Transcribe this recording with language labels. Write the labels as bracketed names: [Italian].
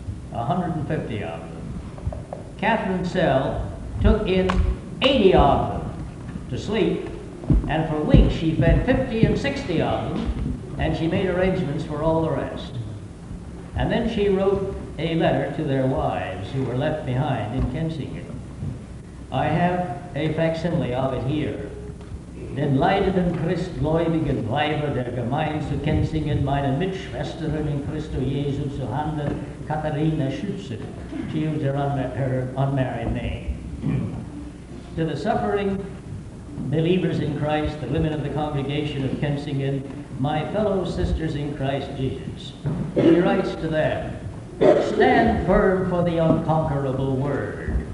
[English] 150 of them. Catherine Sell took in 80 of them to sleep, and for weeks she fed 50 and 60 of them, and she made arrangements for all the rest. And then she wrote a letter to their wives who were left behind in Kensington. I have a facsimile of it here. [German] Den leidenden christgläubigen Weiber der Gemeinde zu Kensington, meine Mitschwesterin in Christo Jesu zu handen, Katharina Schütze. [English] She used her unmarried name. To the suffering believers in Christ, the women of the congregation of Kensington, my fellow sisters in Christ Jesus, he writes to them, stand firm for the unconquerable word.